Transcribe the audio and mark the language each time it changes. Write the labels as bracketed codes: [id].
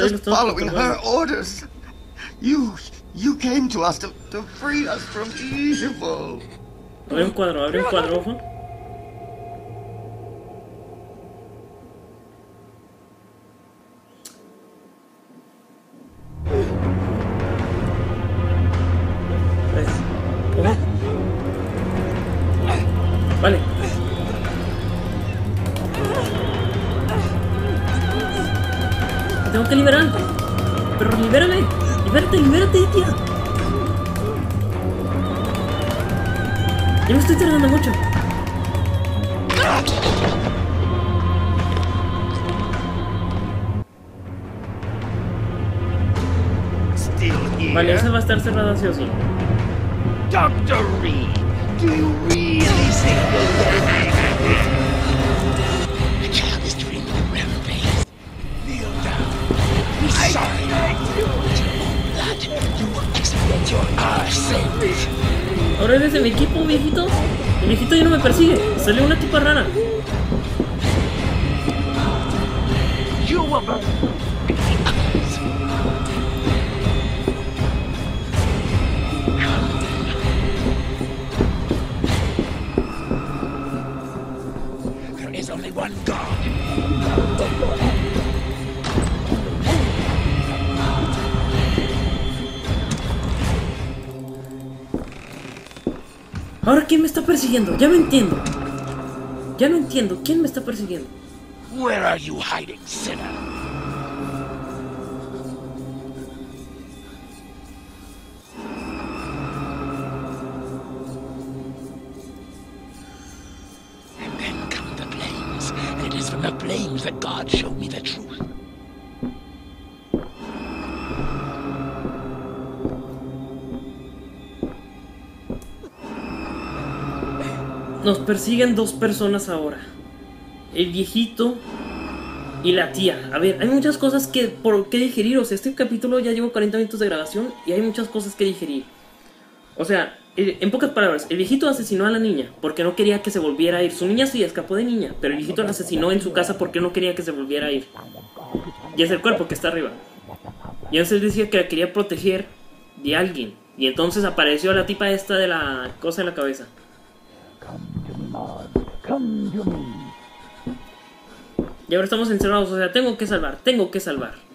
[en] I was just following her orders. You came to us to free us from evil. [es] Abre un cuadro, abre un cuadro, ojo. Vale. Tengo que liberar. Pero libérame. Libérate, tía. Ya me estoy tardando mucho. Vale, eso va a estar cerrado así o sí. [en] Doctor Reed, do you really think [es] ahora es desde mi equipo, viejitos. El viejito ya no me persigue. Sale una tipa rara. ¿Ahora quién me está persiguiendo? Ya no entiendo. Ya no entiendo quién me está persiguiendo. [en] Where are you hiding, sinner? And then come the blames. And it is from the blames that God showed me the truth. [es] Nos persiguen dos personas ahora. El viejito y la tía. A ver, hay muchas cosas que por qué digerir. O sea, este capítulo ya llevo 40 minutos de grabación y hay muchas cosas que digerir. O sea, en pocas palabras, el viejito asesinó a la niña porque no quería que se volviera a ir. Su niña sí escapó de niña, pero el viejito la asesinó en su casa porque no quería que se volviera a ir. Y es el cuerpo que está arriba. Y entonces decía que la quería proteger de alguien. Y entonces apareció la tipa esta de la cosa en la cabeza. [en] Come to me, Maud. Come to me. [es] Y ahora estamos encerrados, o sea, tengo que salvar, tengo que salvar.